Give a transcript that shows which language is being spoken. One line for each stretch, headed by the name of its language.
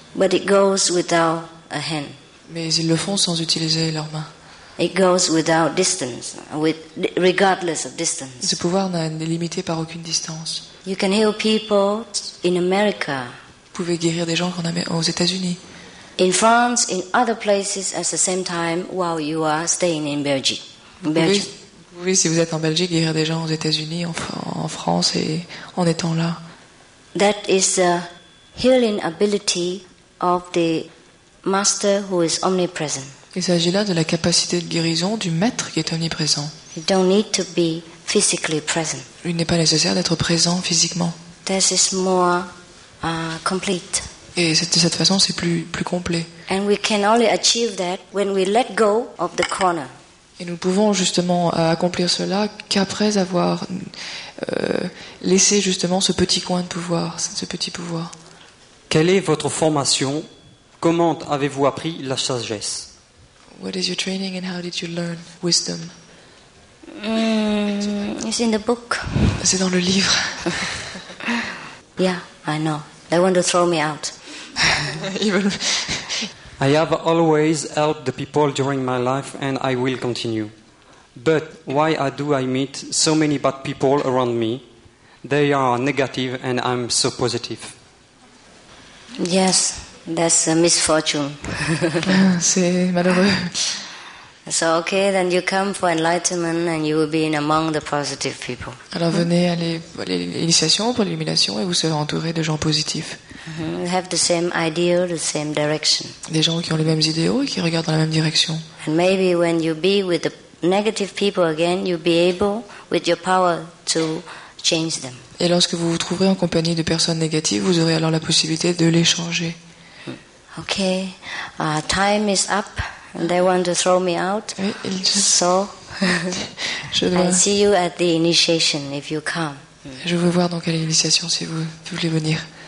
English: But it goes without a hand.
French: Mais ils le font sans utiliser leurs mains.
English: It goes without distance, regardless of distance.
French: Ce pouvoir n'est limité par aucune distance.
English: You can heal people in America.
French: Vous pouvez guérir des gens aux États-Unis.
English: In France, in other places, at the same time, while you are staying in Belgique.
French: Oui, si vous êtes en Belgique, guérir des gens aux États-Unis, en France et en étant là.
English: That is the healing ability of the master who is omnipresent.
French: Il s'agit là de la capacité de guérison du maître qui est omniprésent.
English: You don't need to be physically present.
French: Il n'est pas nécessaire d'être présent physiquement.
English: This is more complete.
French: Et de cette façon, c'est plus complet.
English: And we can only achieve that when we let go of the corner.
French: Et nous pouvons justement accomplir cela qu'après avoir laissé justement ce petit coin de pouvoir, ce petit pouvoir. Quelle est votre formation? Comment avez-vous appris la sagesse?
English: What is your training and how did you learn wisdom? It's in the book. C'est dans le livre. Yeah, I know. They want to throw me out. I have always helped the people during my life and I will continue. But why do I meet so many bad people around me? They are negative and I'm so positive. Yes. That's a misfortune.
French: C'est malheureux.
English: So okay, then you come for enlightenment and you will be in among the positive people.
French: Alors venez à l'initiation pour l'illumination et vous serez entouré de gens positifs.
English: Mm-hmm. Have the same idea, the same direction.
French: Des gens qui ont les mêmes idéaux et qui regardent dans la même direction.
English: And maybe when you be with the negative people again, you'll be able with your power to change them.
French: Et lorsque vous vous trouverez en compagnie de personnes négatives, vous aurez alors la possibilité de les changer.
English: Okay, time is up. They want to throw me out. So, I'll see you at the initiation if you come.
French: Je veux voir donc à l'initiation si vous voulez venir.